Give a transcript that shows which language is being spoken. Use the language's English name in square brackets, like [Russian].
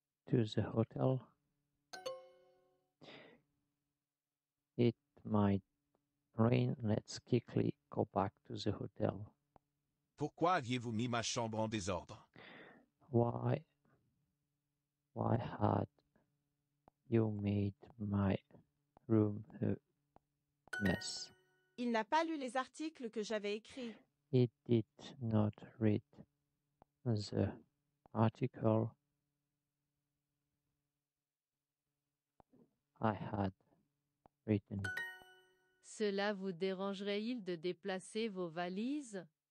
[English] To the hotel. It might rain. Let's quickly go back to the hotel. [French] Pourquoi aviez-vous mis ma chambre en désordre? [English] Why had you made my room a mess? [French] Il n'a pas lu les articles que j'avais écrits. [English] He did not read the article I had written. [French] Cela vous dérangerait-il de déplacer vos valises?